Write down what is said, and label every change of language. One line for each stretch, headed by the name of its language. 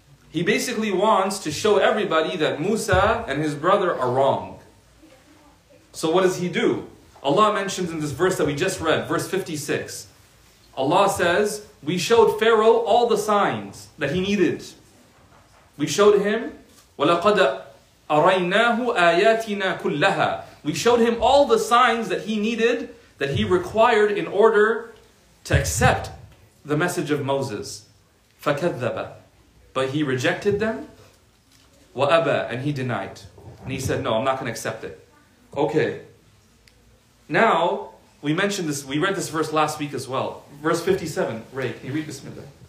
English: He basically wants to show everybody that Musa and his brother are wrong. So what does he do? Allah mentions in this verse that we just read, verse 56. Allah says, we showed Pharaoh all the signs that he needed. We showed him,
Arabic: وَلَقَدْ أَرَيْنَاهُ آيَاتِنَا كُلَّهَا.
English: We showed him all the signs that he needed, that he required in order to accept the message of Moses.
Arabic: فَكَذَّبَ.
English: But he rejected them.
Arabic: وَأَبَى.
English: And he denied. And he said, no, I'm not going to accept it. Okay. Now, we mentioned this, we read this verse last week as well. Verse 57. Ray, can you read Bismillah?